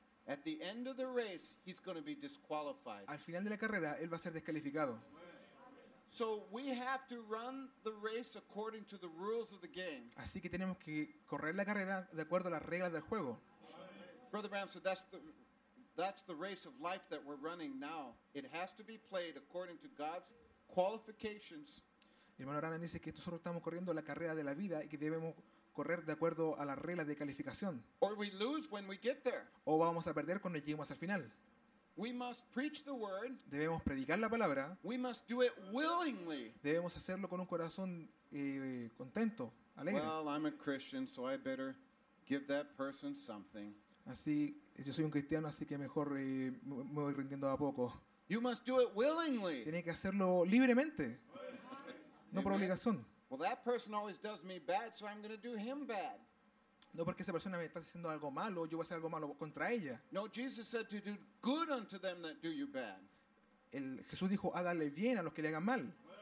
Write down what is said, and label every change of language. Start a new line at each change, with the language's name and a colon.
English: At the end of the race, he's going to be disqualified.
Spanish: Al final de la carrera, él va a ser descalificado.
English: So we have to run the race according to the rules of the game.
Spanish: Así que tenemos que correr la carrera de acuerdo a las reglas del juego.
English: Brother Bram said that's the race of life that we're running now. It has to be played according to God's qualifications.
Spanish: Hermano Branham dice que nosotros estamos corriendo la carrera de la vida y que debemos correr de acuerdo a las reglas de calificación.
English: Or we lose when we get there.
Spanish: O vamos a perder cuando lleguemos al final.
English: We must preach the word.
Spanish: Debemos predicar la palabra.
English: We must do it willingly.
Spanish: Debemos hacerlo con un corazón contento, alegre.
English: Well, I'm a Christian, so I better give that person something.
Spanish: Así, yo soy un cristiano, así que mejor me voy rindiendo a poco.
English: You must do it willingly.
Spanish: Tiene que hacerlo libremente. No por obligación.
English: Well, that person always does me bad, so I'm going to do him bad.
Spanish: No porque esa persona me está haciendo algo malo, yo voy a hacer algo malo contra ella.
English: No, Jesus said to do good unto them that do you bad.
Spanish: El Jesús dijo, hágale bien a los que le hagan mal.